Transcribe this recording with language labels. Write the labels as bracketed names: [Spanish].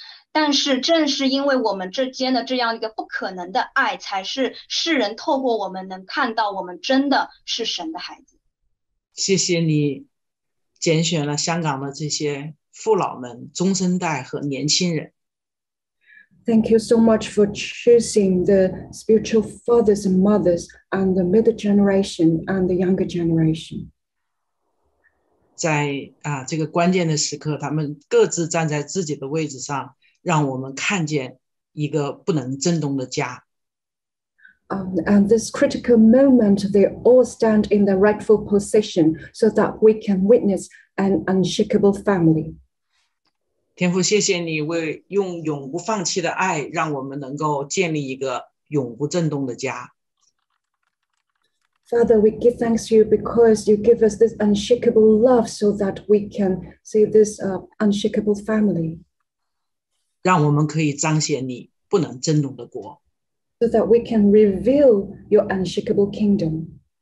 [Chinese] 但是正是因为我们之间的这样一个不可能的爱，才是世人透过我们能看到我们真的是神的孩子。谢谢你拣选了香港的这些父老们、中生代和年轻人。 [English] Thank you so much for choosing the spiritual fathers and mothers and the middle generation and the younger generation. [Chinese] 在这个关键的时刻，他们各自站在自己的位置上，让我们看见一个不能震动的家。 [English] And this critical moment, they all stand in the rightful position so that we can witness an unshakable family. [Chinese] 天父，谢谢你为用永不放弃的爱，让我们能够建立一个永不震动的家。 [English] Father, we give thanks to you because you give us this unshakable love so that we can see this unshakable family. [Chinese] 让我们可以彰显你不能震动的国。 [English] So that we can reveal your unshakable kingdom.